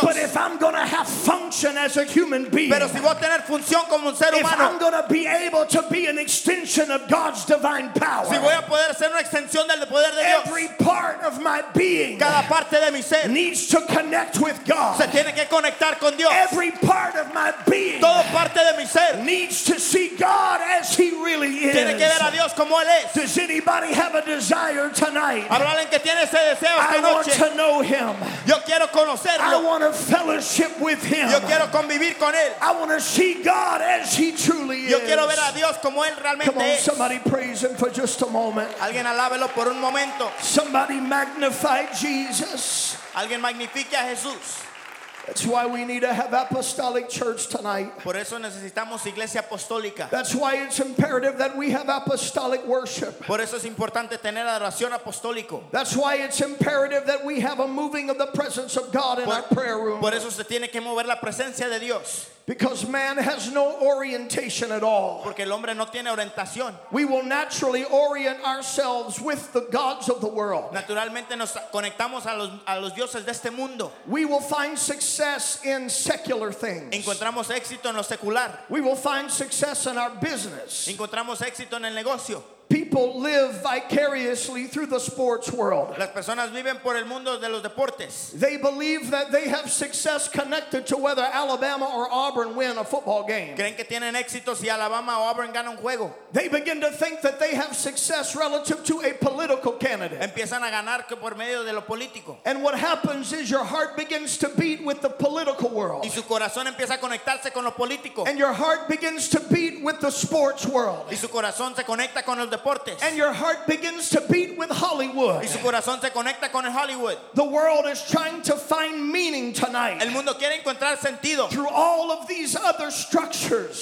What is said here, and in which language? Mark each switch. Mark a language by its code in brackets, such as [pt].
[en] But if I'm going to have function as a human being. [es] Pero si voy a tener función como un ser humano. [en] If I'm going to be able to be an extension of God's divine power. [es] Si voy a poder ser una extensión del poder de Dios. [en] Every part of my being. [es] Cada parte de mi ser [en] needs to connect with God. [es] Se se tiene que conectar con Dios. [en] Every part of my being, [es] todo parte de mi ser, [en] needs to see God as He really is. [es] Tiene que ver a Dios como Él es. [en] Does anybody have a desire tonight? [es] ¿Habrá alguien que tiene ese deseo esta noche? [en] I want to know Him. [es] Yo quiero conocerlo. [en] I want to fellowship with Him. [es] Yo quiero convivir con Él. [en] I want to see God as He truly is. [es] Yo quiero ver a Dios como Él realmente es. [en] Come on, somebody praise Him for just a moment. [es] Alguien alábelo por un momento. [en] Somebody magnify Jesus. [es] Alguien magnifique a Jesús. [en] That's why we need to have apostolic church tonight. [es] Por eso necesitamos iglesia apostólica. [en] That's why it's imperative that we have apostolic worship. [es] Por eso es importante tener adoración apostólico. [en] That's why it's imperative that we have a moving of the presence of God in our prayer room. [es] Por eso se tiene que mover la presencia de Dios. [en] Because man has no orientation at all. [es] Porque el hombre no tiene orientación. [en] We will naturally orient ourselves with the gods of the world. [es] Naturalmente nos conectamos a los dioses de este mundo. [en] We will find success in secular things. [es] Encontramos éxito en lo secular. [en] We will find success in our business. [es] Encontramos éxito en el negocio. [en] People live vicariously through the sports world. [es] Las personas viven por el mundo de los deportes. [en] They believe that they have success connected to whether Alabama or Auburn win a football game. [es] Creen que tienen éxito si Alabama o Auburn gana un juego. [en] They begin to think that they have success relative to a political candidate. [es] Empiezan a ganar por medio de lo político. [en] And what happens is your heart begins to beat with the political world. [es] Y su corazón empieza a conectarse con lo político. [en] And your heart begins to beat with the sports world. [es] Y su corazón se conecta con el deportes. [en] And your heart begins to beat with Hollywood. [es] Y su corazón se conecta con el Hollywood. [en] The world is trying to find meaning tonight. [es] El mundo quiere encontrar sentido. [en] Through all of these other structures.